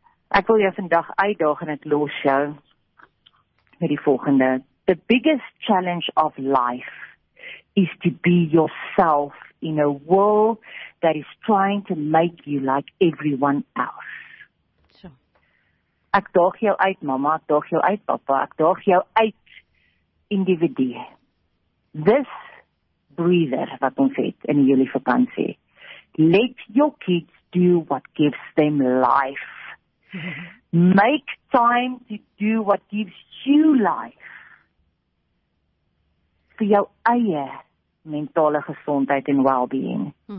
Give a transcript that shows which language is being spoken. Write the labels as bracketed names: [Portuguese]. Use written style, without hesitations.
[Afrikaans] Ek wil jou vandag uitdaag in het los jou met die volgende. [English] The biggest challenge of life is to be yourself in a world that is trying to make you like everyone else. So. [Afrikaans] Ek daag jou uit, mama. Ek daag jou uit, papa. Ek daag jou uit, individu. [English] This breather [Afrikaans] wat ons het in die Julie vakantie. [English] Let your kids do what gives them life. Make time to do what gives you life. [Afrikaans] Vir jou eie mentale gesondheid en well-being.